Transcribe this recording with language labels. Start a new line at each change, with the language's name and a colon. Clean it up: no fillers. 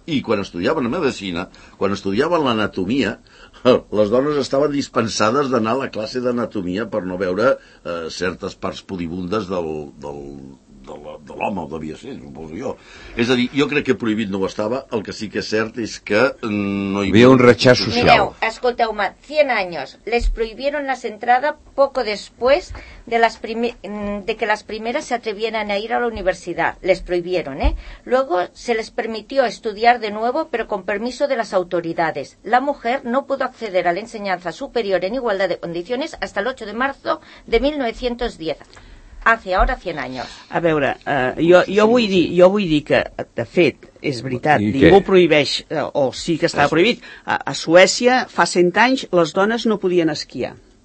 Catalan: I quan estudiaven medicina, quan estudiaven l'anatomia, les dones estaven dispensades d'anar a la classe d'anatomia per no veure certes parts pudibundes de l'home ho devia ser, suposo jo. És a dir, jo crec que prohibit no ho estava, el que sí que és cert és que no hi havia un rechaz social. Mireu, escolteu-me, 100 anys,
Spanish: les prohibieron la entrada poco después de las de que las primeras se atrevieran a ir a la universidad. Les prohibieron, ¿eh? Luego se les permitió estudiar de nuevo, pero con permiso de las autoridades. La mujer no pudo acceder a la enseñanza superior en igualdad de condiciones hasta el 8 de marzo de 1910. Hace ahora 100 años.
Catalan: A veure, jo vull dir que, de fet, és veritat, ningú prohibeix, o sí que estava prohibit, a Suècia fa 100 anys les dones no podien esquiar.